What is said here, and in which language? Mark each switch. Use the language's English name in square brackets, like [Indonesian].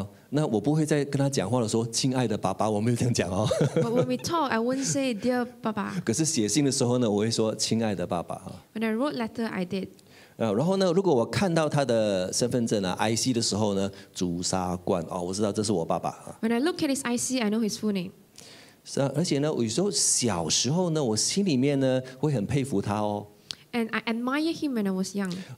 [Chinese] 那我不会再跟他讲话了，说亲爱的爸爸，我没有这样讲哦。 [English] But when we talk, I won't say dear 爸爸。 [Chinese] 可是写信的时候呢，我会说亲爱的爸爸。 [English] When I wrote letter, I did. [Chinese] 然后呢，如果我看到他的身份证啊 ，IC 的时候呢，朱砂罐哦，我知道这是我爸爸。 [English] When I look at his IC, I know his full name. [Chinese] 是啊，而且呢，有时候小时候呢，我心里面呢会很佩服他哦。 [English] And I admire him when I was young.